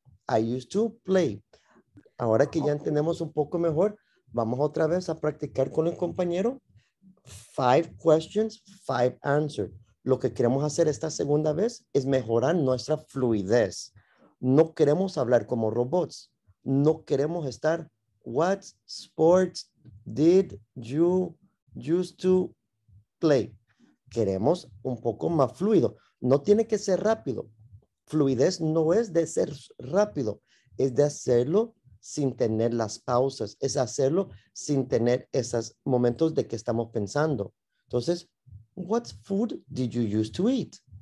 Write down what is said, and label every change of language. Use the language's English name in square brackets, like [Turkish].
[English] I used to play. [Spanish] Ahora que ya entendemos un poco mejor, vamos otra vez a practicar con el compañero. [English] 5 questions, 5 answers. [Spanish] Lo que queremos hacer esta segunda vez es mejorar nuestra fluidez. No queremos hablar como robots. No queremos estar, [English] what sports did you used to play? [Spanish] Queremos un poco más fluido. No tiene que ser rápido. Fluidez no es de ser rápido. Es de hacerlo sin tener las pausas. Es hacerlo sin tener esos momentos de que estamos pensando. Entonces, [English] what food did you used to eat?